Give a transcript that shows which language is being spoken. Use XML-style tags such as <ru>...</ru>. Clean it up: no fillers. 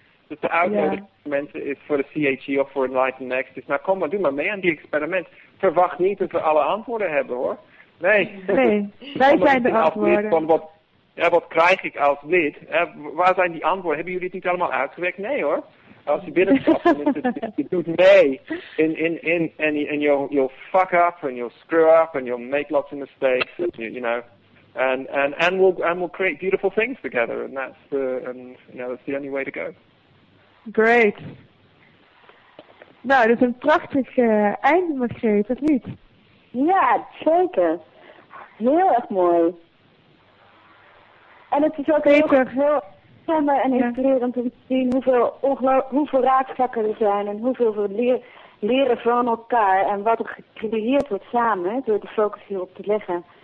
<nl>Dus de uitnodiging voor mensen is voor de CHE of voor Enlightened Next. Dus nou kom maar, doe maar mee aan die experiment. Verwacht niet dat we alle antwoorden hebben hoor. Nee. Nee, wij zijn de antwoorden. Wat krijg ik als lid? Waar zijn die antwoorden? Hebben jullie het niet allemaal uitgewerkt? Nee hoor. Als je binnenkomt, je doet mee in</nl> <en>you'll fuck up and you'll screw up and you'll make lots of mistakes, and we'll create beautiful things together, and that's the only way to go. Great.</en> <nl>Nou, dat is een prachtig einde, Margreet, of niet? Ja, zeker. Heel erg mooi. En het is ook heel stemmen en inspirerend om te zien hoeveel raakvlakken er zijn en hoeveel we leren van elkaar en wat er gecreëerd wordt samen door de focus hierop te leggen.</nl>